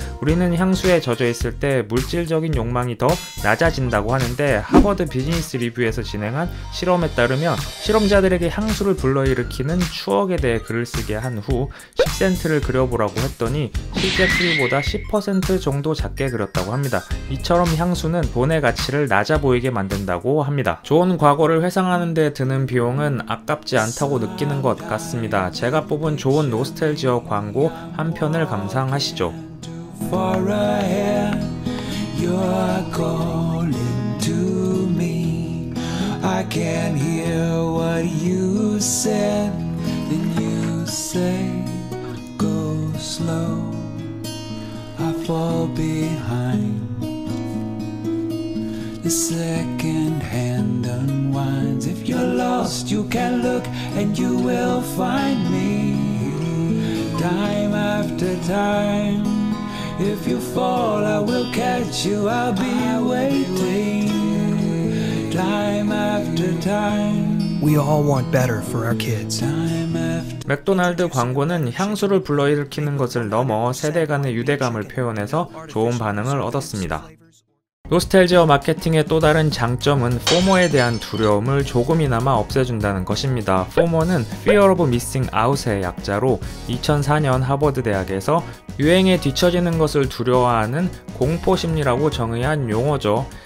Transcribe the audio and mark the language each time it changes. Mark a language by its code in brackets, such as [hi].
[ko] 우리는 향수에 젖어있을 때 물질적인 욕망이 더 낮아진다고 하는데 하버드 비즈니스 리뷰에서 진행한 실험에 따르면 실험자들에게 향수를 불러일으키는 추억에 대해 글을 쓰게 한 후 10센트를 그려보라고 했더니 실제 수위보다 10% 정도 작게 그렸다고 합니다. 이처럼 향수는 돈의 가치를 낮아 보이게 만든다고 합니다. 좋은 과거를 회상하는 데 드는 비용은 아깝지 않다고 느끼는 것 같습니다. 제가 뽑은 좋은 노스텔지어 광고 한 편을 감상하시죠. [en] Far ahead, you're calling to me. I can hear what you said. Then you say, go slow. I fall behind. The second hand unwinds. If you're lost, you can look and you will find me. Time after time. If you fall, I will catch you. I'll be waiting. Time after time. We all want better for our kids. [ko] 맥도날드 광고는 향수를 불러일으키는 것을 넘어 세대 간의 유대감을 표현해서 좋은 반응을 얻었습니다. 노스텔지어 마케팅의 또 다른 장점은 포모에 대한 두려움을 조금이나마 없애준다는 것입니다. 포모는 Fear of Missing Out의 약자로 2004년 하버드대학에서 유행에 뒤처지는 것을 두려워하는 공포심리라고 정의한 용어죠.